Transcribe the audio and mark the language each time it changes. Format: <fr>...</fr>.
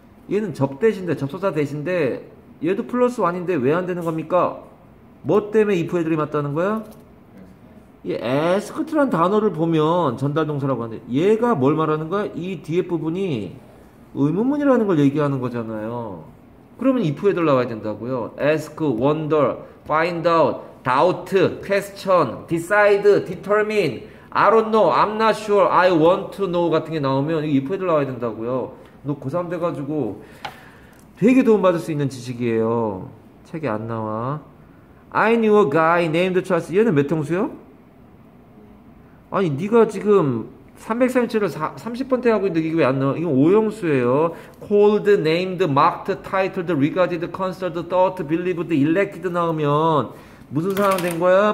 <ko>얘는 접대시인데, 접속사 대시인데, 얘도 플러스 1인데 왜안 되는 겁니까? 뭐 때문에 if 헤더링 맞다는 거야? 이 에스크트란 단어를 보면 전달 동사라고 하는데 얘가 뭘 말하는 거야? 이 뒤에 부분이 의문문이라는 걸 얘기하는 거잖아요. 그러면 if 헤더 나와야 된다고요.</ko> <en>ask, wonder, find out, doubt, question, decide, determine, I don't know, I'm not sure, I want to know</en> <ko>같은 게 나오면 if 헤더 나와야 된다고요. 너 고3 돼가지고 되게 도움받을 수 있는 지식이에요. 책에 안 나와.</ko> <en>I knew a guy named Charles.</en> <ko>얘는 몇 통수요? 아니, 니가 지금 337을 30번째 하고 있는데 이게 왜안 나와? 이건 5형수예요.</ko> <en>Called, named, marked, titled, regarded, considered, thought, believed, elected 나오면</en> <ko>무슨 상황 된 거야?</ko>